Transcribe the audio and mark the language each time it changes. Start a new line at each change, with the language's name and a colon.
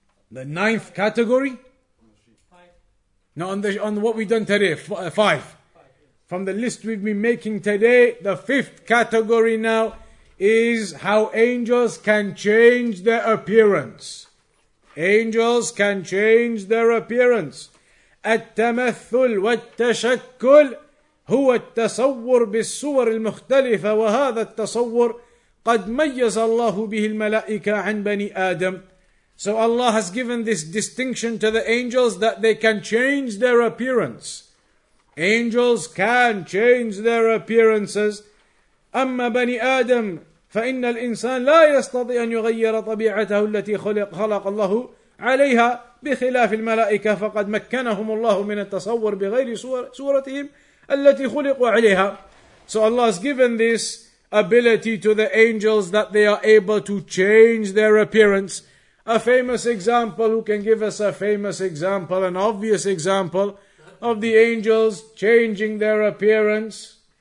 English: The ninth category? Five. No, on what we've done today, five. from the list we've been making today, the fifth category now is how angels can change their appearance. Angels can change their appearance.
Arabic: التمثل والتشكل هو التصور بالصور المختلفة وهذا التصور قد ميز الله به الملائكة عن بني آدم.
English: So Allah has given this distinction to the angels that they can change their appearance. Angels can change their appearances.
Arabic: أما بني آدم فإن الإنسان لا يستطيع أن يغير طبيعته التي خلق الله عليها بخلاف الملائكة فقد مكنهم الله من التصور بغير صورتهم التي خلقوا عليها.
English: So Allah has given this ability to the angels that they are able to change their appearance. A famous example, who can give us a famous example, an obvious example of the angels changing their appearance?